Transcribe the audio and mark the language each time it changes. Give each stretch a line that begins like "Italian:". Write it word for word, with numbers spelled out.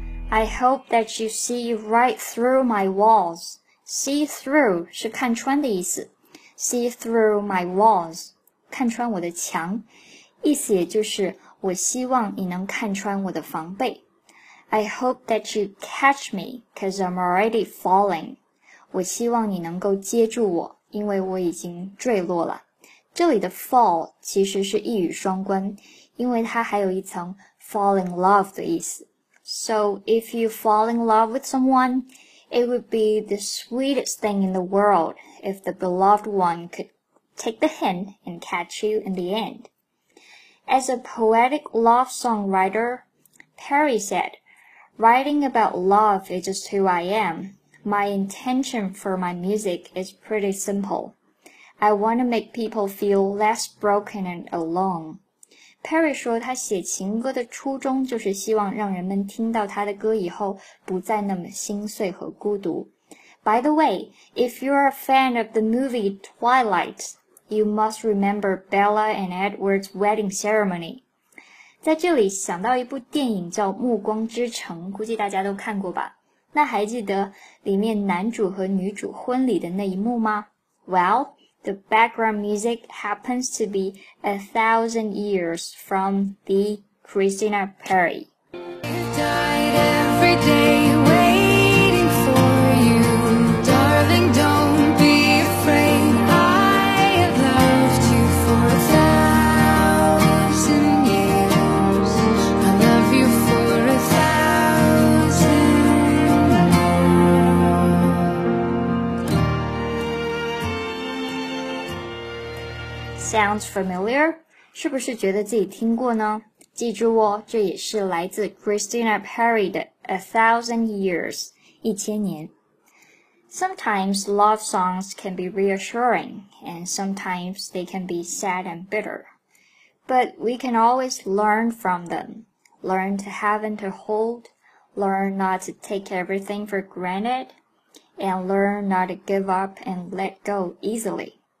English: I hope that you see right through my walls. See through
Chinese: 是看穿的意思。
English: See through my walls,
Chinese: 看穿我的墙。意思也就是我希望你能看穿我的防备。
English: I hope that you catch me, 'cause I'm already falling.
Chinese: 我希望你能够接住我，因为我已经坠落了。这里的 fall 其实是一语双关，因为它还有一层
English: fall in love
Chinese: 的意思。
English: So if you fall in love with someone, it would be the sweetest thing in the world if the beloved one could take the hint and catch you in the end. As a poetic love songwriter, Perri said, "Writing about love is just who I am. My intention for my music is pretty simple. I want to make people feel less broken and alone."
Chinese: Perri 说，她写情歌的初衷就是希望让人们听到她的歌以后不再那么心碎和孤独。
English: By the way, if you're a fan of the movie Twilight, you must remember Bella and Edward's wedding ceremony.
Chinese: 在这里想到一部电影叫《暮光之城》，估计大家都看过吧？那还记得里面男主和女主婚礼的那一幕吗？
English: Well, the background music happens to be A Thousand Years from the Christina Perri. Died every day waiting for you, darling, don't be afraid. I have loved you for a thousand years. I love you for a thousand. Sounds familiar?
Chinese: 是不是觉得自己听过呢？记住哦，这也是来自 Christina Perri 的 A Thousand Years, 一千年。
English: Sometimes love songs can be reassuring, and sometimes they can be sad and bitter. But we can always learn from them. Learn to have and to hold. Learn not to take everything for granted. And learn not to give up and let go easily.